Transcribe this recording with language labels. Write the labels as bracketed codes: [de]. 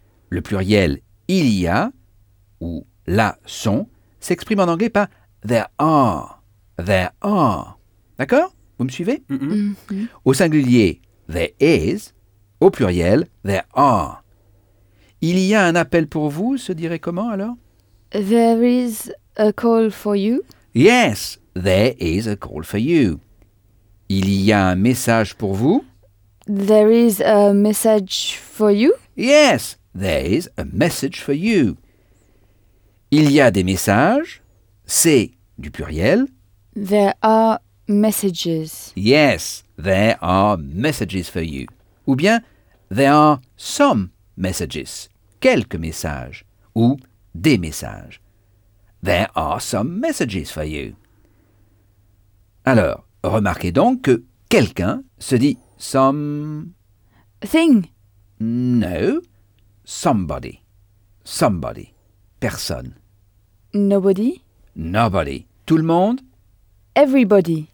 [fr] Le pluriel il y a, ou là sont, s'exprime en anglais par [en] there are, there are. [fr] D'accord? Vous me suivez? Mm-hmm. Au singulier, [en] there is, [fr] au pluriel, [en] there are. [fr] Il y a un appel pour vous, se dirait comment alors? [en] There is a call for you. Yes, there is a call for you. [fr] Il y a un message pour vous. [en] There is a message for you. Yes. There is a message for you. [fr] Il y a des messages. C'est du pluriel. [en] There are messages. Yes, there are messages for you. [fr] Ou bien, [en] there are some messages. [fr] Quelques messages. Ou des messages. [en] There are some messages for you. [fr] Alors, remarquez donc que quelqu'un se dit some... [en] thing. No. Somebody. Somebody. [fr] Personne. [en] Nobody. Nobody. [fr] Tout le monde. [en] Everybody.